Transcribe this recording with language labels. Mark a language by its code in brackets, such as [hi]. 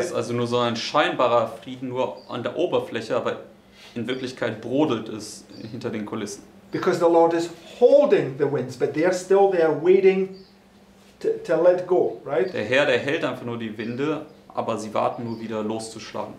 [de] Es ist also nur so ein scheinbarer Frieden nur an der Oberfläche, aber in Wirklichkeit brodelt es hinter den Kulissen. [en] Because the Lord is holding the winds, but they are still there waiting to let go, right? [de] Der Herr, der hält einfach nur die Winde, aber sie warten nur wieder loszuschlagen.